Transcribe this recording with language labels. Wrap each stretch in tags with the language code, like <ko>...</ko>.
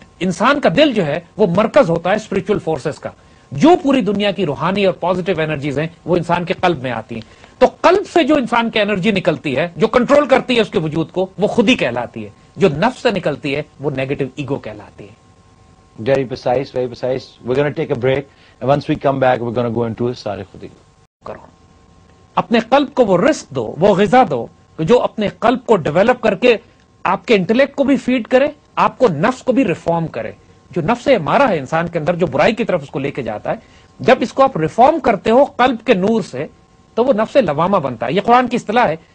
<ur>انسان کا دل جو ہے وہ مرکز ہوتا ہے اسپرچل فورسز کا. جو پوری دنیا کی روحانی اور پازیٹو انرجیز ہیں, وہ انسان کے قلب میں آتی ہیں. تو قلب سے جو انسان کی انرجی نکلتی ہے, جو کنٹرول کرتی ہے اس کے وجود کو, وہ خودی کہلاتی ہے. جو نفس سے نکلتی ہے, وہ نیگیٹو ایگو کہلاتی ہے.</ur> <en>Very precise, very precise. We're going to take a break. And once we come back, we're going to go into سارے خودی.</en> <ur>اپنے قلب کو وہ رزق دو, وہ غذا دو, جو اپنے قلب کو ڈیولپ کر کے آپ کے انٹلیکٹ کو بھی فیڈ کرے, آپ کو نفس کو بھی ریفارم کرے. جو نفس مارا ہے انسان کے اندر, جو برائی کی طرف اس کو لے کے جاتا ہے, جب اس کو آپ ریفارم کرتے ہو قلب کے نور سے, تو وہ نفس لوامہ بنتا ہے. یہ قرآن کی اصطلاح ہے.</ur>